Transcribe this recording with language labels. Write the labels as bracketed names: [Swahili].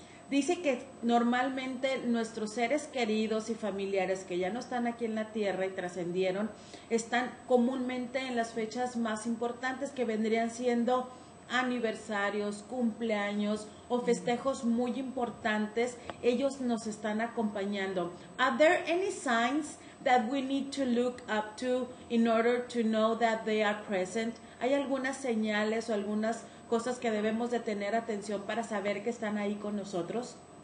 [Spanish] Dice que normalmente nuestros seres queridos y familiares que ya no están aquí en la tierra y trascendieron, están comúnmente en las fechas más importantes que vendrían siendo aniversarios, cumpleaños o festejos muy importantes. Ellos nos están acompañando. [English] Are there any signs that we need to look up to in order to know that they are present? [Spanish] ¿Hay algunas señales o algunas cosas que debemos de tener atención para saber que están ahí con nosotros?